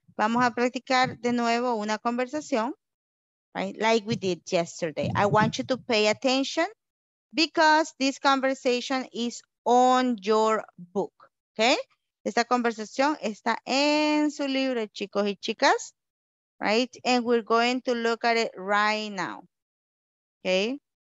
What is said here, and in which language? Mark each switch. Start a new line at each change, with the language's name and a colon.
Spanish: Vamos a practicar de nuevo una conversación, right?
English: Like we did yesterday. I want you to pay attention because this conversation is on your book, okay?
Spanish: Esta conversación está en su libro, chicos y chicas, right?
English: And we're going to look at it right now, okay?